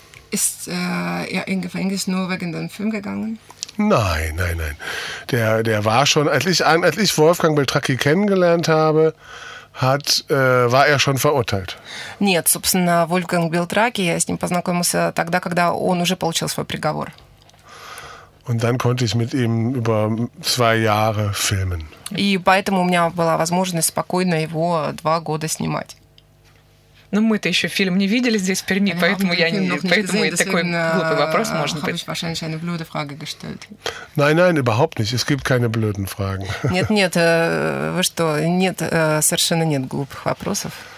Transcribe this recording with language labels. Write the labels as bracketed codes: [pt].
[de] Ist er in Gefängnis nur wegen dem Film gegangen? Nein, nein, nein. Der war schon, als ich Wolfgang Beltracchi kennengelernt habe, war er schon verurteilt. [ru] Нет, собственно, Вольфганг Белтраки, я с ним познакомился тогда, когда он уже получил свой приговор. [de] Und dann konnte ich mit ihm über 2 Jahre filmen. [ru] И поэтому у меня была возможность спокойно его 2 года снимать. Но мы-то еще фильм не видели здесь в Перми, поэтому я не такой глупый вопрос, может быть.